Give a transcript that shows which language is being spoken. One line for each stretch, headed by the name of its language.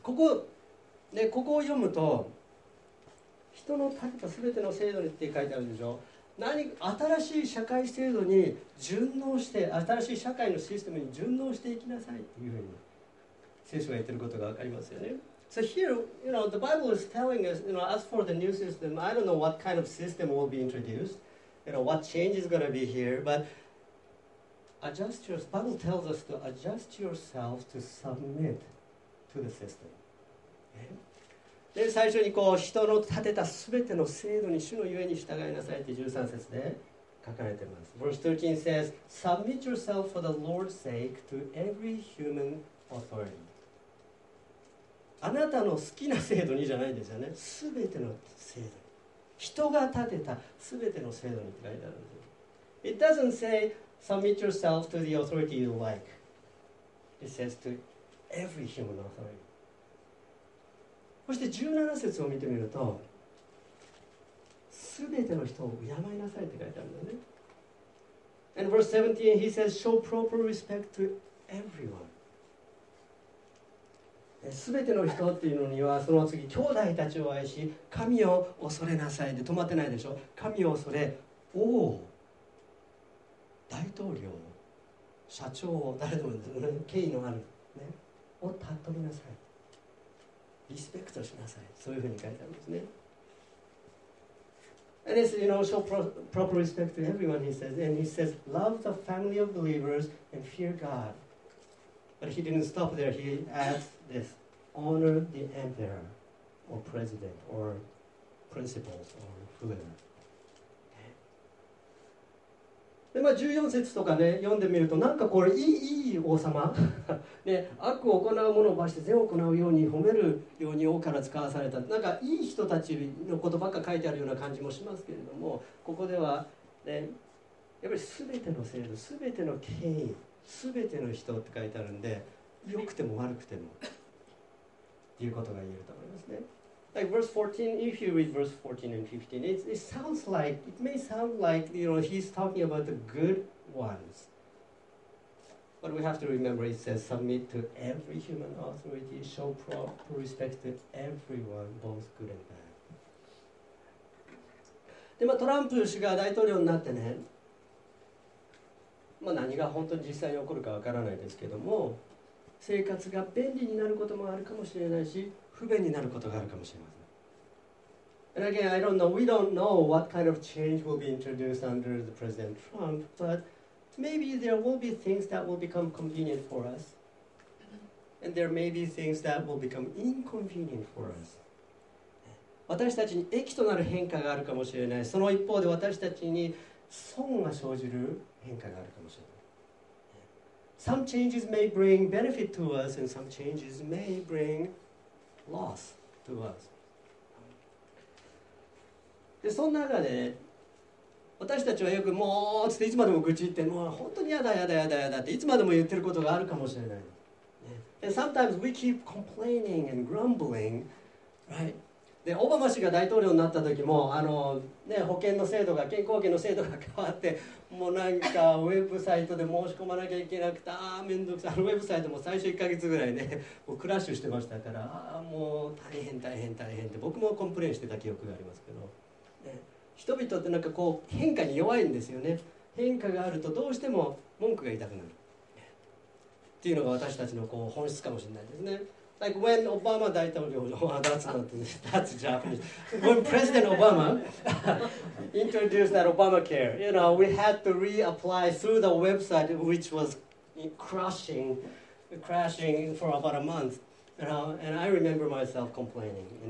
Japanese: ここで、ここを読むと、人の立てたすべての制度にって書いてあるでしょ。何新しい社会制度に順応して、新しい社会のシステムに順応していきなさいというふうに聖書が言っていることが分かりますよね。
English: So here, you know, the Bible is telling us, you know, as for the new system, I don't know what kind of system will be introduced, you know, what change is going to be here, but adjust yourself. Bible tells us to adjust yourself to submit to the system.
Japanese: で最初にこう人の立てたすべての制度に主のゆえに従いなさいって13節で書かれています。
English: Verse 13 says, Submit yourself for the Lord's sake to every human authority.
Japanese: あなたの好きな制度にじゃないんですよね。すべての制度。人が立てたすべての制度にって書いてあるんですよ。
English: It doesn't say, Submit yourself to the authority you like. It says to every human authority.
Japanese: そして17節を見てみると、すべての人を敬いなさいって書いてあるんだね。
English: And verse 17, he says, show proper respect to everyone.
Japanese: すべての人っていうのには、その次、兄弟たちを愛し、神を恐れなさいって止まってないでしょ。神を恐れ、王、大統領、社長、誰でもいいんですよ。権威のある、ね、を尊びなさい。リスペクトしなさい。そういうふうに書いてあるんですね。
English: And it's, you know, show proper respect to everyone, he says. And he says, love the family of believers and fear God. But he didn't stop there. He adds this, honor the emperor or president or principals or whoever.
Japanese: でまあ、14節とかね、読んでみると、なんかこれ、いい王様、ね、悪を行う者を罰して善を行うように褒めるように王から使わされた、なんかいい人たちのことばっか書いてあるような感じもしますけれども、ここでは、ね、やっぱりすべての制度、すべての権威、すべての人って書いてあるんで、良くても悪くてもっていうことが言えると思いますね。
English: Like verse 14, if you read verse 14 and 15, it may sound like, you know, he's talking about the good ones. But we have to remember, it says, submit to every human authority, show proper respect to everyone, both good and bad.
Japanese: で、まあ、トランプ氏が大統領になってね、まあ、何が本当に実際に起こるかわからないですけども、生活が便利になることもあるかもしれないし、不便になることがあるかもしれません。
English: And again, I don't know. We don't know what kind of change will be introduced under the President Trump, but maybe there will be things that will become convenient for us, and there may be things that will become inconvenient for us.
Japanese: 私たちに益となる変化があるかもしれない。その一方で私たちに損が生じる変化があるかもしれない。
English: Some changes may bring benefit to us, and some changes may bring loss to us.
Japanese: で、その中で、私たちはよくもうつっていつまでも愚痴言って、もう本当にやだやだやだやだっていつまでも言ってることがあるかもしれない。
English: で、sometimes we keep complaining and grumbling, right?
Japanese: でオバマ氏が大統領になった時もあの、ね、保険の制度が健康保険の制度が変わってもうなんかウェブサイトで申し込まなきゃいけなくてあーめんどくさいウェブサイトも最初1ヶ月ぐらいねもうクラッシュしてましたからあーもう大変大変大変って僕もコンプレーンしてた記憶がありますけど、ね、人々ってなんかこう変化に弱いんですよね。変化があるとどうしても文句が言いたくなるっていうのが私たちのこう本質かもしれないですね。
English: Like when Obama 大統領 that's Japanese. When President Obama introduced that Obamacare, you know, we had to reapply through the website, which was crashing for about a month. You know, and I remember myself complaining.